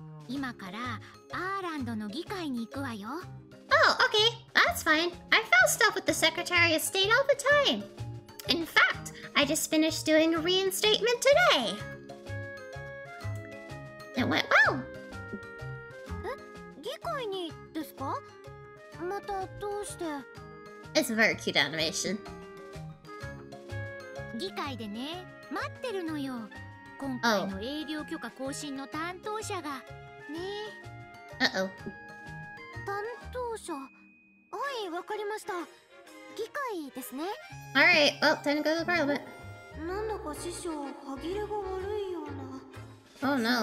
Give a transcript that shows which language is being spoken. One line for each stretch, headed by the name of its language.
Japanese: 今からアーランドの議会に行くわよ。
English: Oh, okay. That's fine. I found stuff with the Secretary of State all the time. In fact, I just finished doing a reinstatement today. It went well.
Japanese: え、議会にですか？またどうして？
English: It's a very cute animation.
Japanese: 議会でね、待ってるのよ。今回の営業許可更新の担当者が。担当者。はい、わかりました。議会ですね。
English: All right, well, time to go to the parliament.
Japanese: なんだか師匠、歯切れが悪いような。